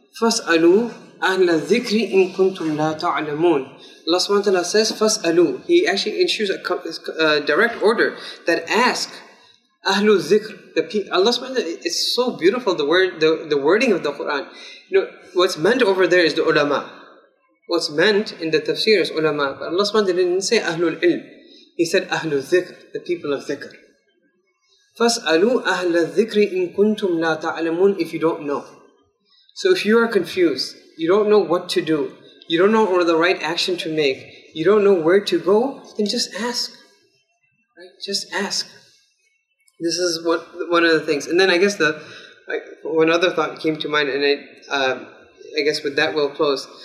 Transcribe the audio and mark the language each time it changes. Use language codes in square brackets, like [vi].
[ar] فَاسْأَلُوا أَهْلَ الذِّكْرِ إِن كُنْتُمْ لَا تَعْلَمُونَ [en] Allah subhanahu wa ta'ala says, فَاسْأَلُوا He actually issues a direct order that ask [ar] أَهْلُ الذِّكْرِ [en] Allah subhanahu wa ta'ala, it's so beautiful, the wording of the Qur'an. You know, what's meant over there is the ulama. What's meant in the tafsir is ulama. But Allah subhanahu wa ta'ala didn't say [ar] أَهْلُ الْعِلْمِ [en] He said [ar] أَهْلُ الذِّكْرِ [en] The people of dhikr. [ar] فَاسْأَلُوا أَهْلَ الذِّكْرِ إِن كُنْتُمْ لَا تَعْلَمُونَ [en] If you don't know. So if you are confused, you don't know what to do, you don't know what the right action to make, you don't know where to go, then just ask. Right? Just ask. This is one of the things. And then I guess one other thought came to mind, and I guess with that we'll close.